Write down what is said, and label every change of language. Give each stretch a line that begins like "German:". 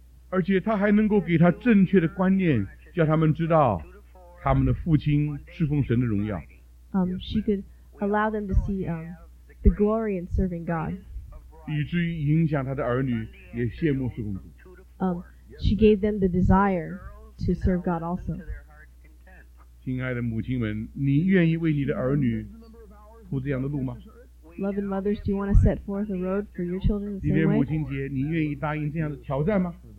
Chinese: 而且他还能够给他正确的观念，叫他们知道他们的父亲侍奉神的荣耀。
English: She could allow them to see the glory in serving God.
Chinese: 以至于影响他的儿女也羡慕侍奉主。
English: She gave them the desire to serve God also.
Chinese: 亲爱的母亲们，你愿意为你的儿女铺这样的路吗？
English: Loving mothers, do you want to set forth a road for your children the same way?
Chinese: 今天母亲节，你愿意答应这样的挑战吗？